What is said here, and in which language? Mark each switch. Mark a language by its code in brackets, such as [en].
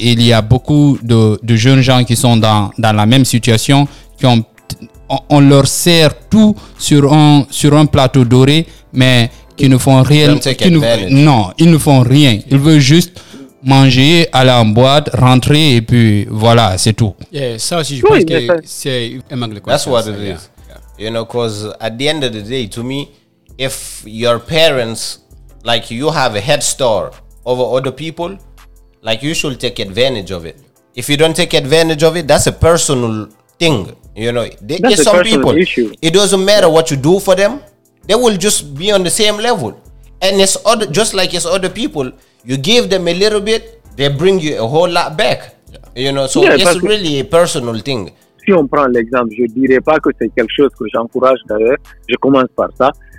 [fr] Il y a beaucoup de jeunes gens qui sont dans la même situation, qui on leur sert tout sur un plateau doré, mais qui ne font rien. Ils veulent juste manger, aller en boîte, rentrer et puis voilà, c'est tout. Yeah, ça aussi, je pense que c'est un manque de [en] confiance. That's what it is. Yeah. You know, because at the end of the day, to me, if your parents, like you have a head start over other people, like you should take advantage of it. If you don't take advantage of it, that's a personal thing. You know, there's some people. Issue. It doesn't matter what you do for them; they will just be on the same level. And it's other people. You give them a little bit, they bring you a whole lot back. You know, so yeah, it's really a personal thing. [fr] Si on prend l'exemple, je ne dirais pas que c'est quelque chose que j'encourage d'ailleurs, je commence par ça.